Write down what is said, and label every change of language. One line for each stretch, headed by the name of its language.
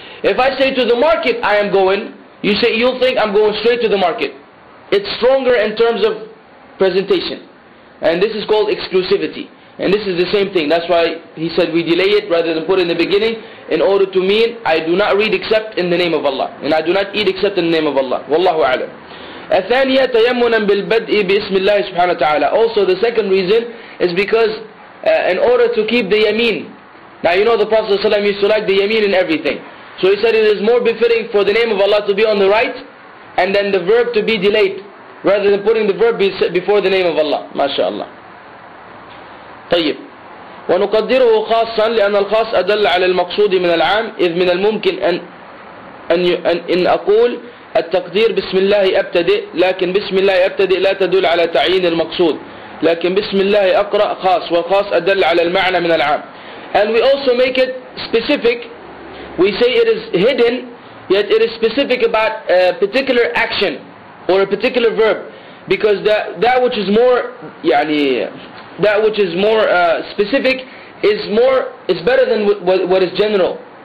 English: If I say to the market I am going, you'll think I'm going straight to the market. It's stronger in terms of presentation. And this is called exclusivity. And this is the same thing. That's why he said we delay it rather than put it in the beginning, in order to mean I do not read except in the name of Allah. And I do not eat except in the name of Allah. Wallahu a'lam.
Arabic: الثانية تيمنا بالبدء باسم الله سبحانه وتعالى.
English: Also the second reason is because in order to keep the yameen. Now you know the Prophet ﷺ used to like the yameen in everything. So he said it is more befitting for the name of Allah to be on the right, and then the verb to be delayed, rather than putting the verb before the name of Allah.
Arabic: MashaAllah. طيب. ونقدره خاصا لأن الخاص أدل على المقصود من العام إذ من الممكن أن أقول التقدير بسم الله أبتدئ لكن بسم الله أبتدئ لا تدل على تعيين المقصود لكن بسم الله أقرأ خاص والخاص أدل على المعنى من العام.
English: And we also make it specific. We say it is hidden, yet it is specific about a particular action or a particular verb, because that which is more يعني that which is more specific is better than what is general.